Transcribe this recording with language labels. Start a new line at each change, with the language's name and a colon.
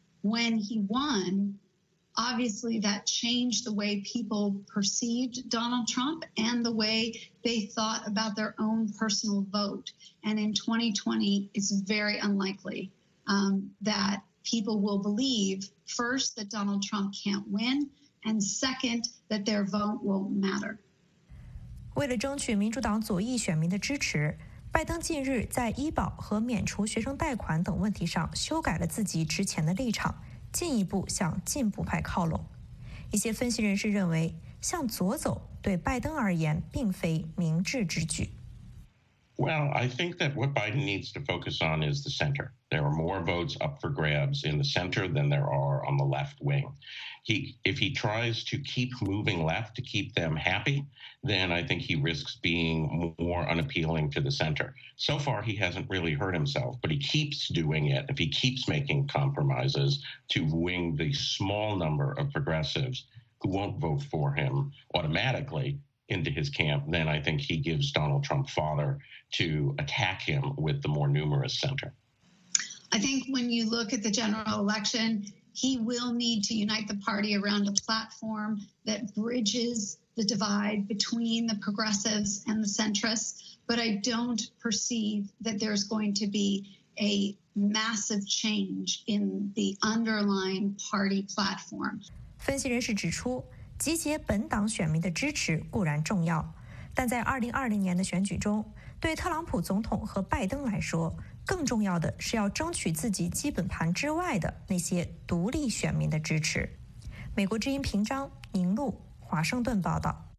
English: When he won, obviously that changed the way people perceived Donald Trump and the way they thought about their own personal vote. And in 2020, it's very unlikely that people will believe, first, that Donald Trump can't win, and second, that their vote won't matter.
Chinese: 为了争取民主党左翼选民的支持，拜登近日在医保和免除学生贷款等问题上修改了自己之前的立场，进一步向进步派靠拢。一些分析人士认为，向左走对拜登而言并非明智之举。
English: Well, I think that what Biden needs to focus on is the center. There are more votes up for grabs in the center than there are on the left wing. If he tries to keep moving left to keep them happy, then I think he risks being more unappealing to the center. So far, he hasn't really hurt himself, but he keeps doing it. If he keeps making compromises to win the small number of progressives who won't vote for him automatically into his camp, then I think he gives Donald Trump fodder to attack him with the more numerous center. I think when you look at the general election, he will need to unite the party around a platform that bridges the divide between the progressives and the centrists. But I don't perceive that there's going to be a massive change in the underlying party platform.
Chinese: 分析人士指出，集结本党选民的支持固然重要，但在2020年的选举中，对特朗普总统和拜登来说，更重要的是要争取自己基本盘之外的那些独立选民的支持。美国之音平章宁路华盛顿报道。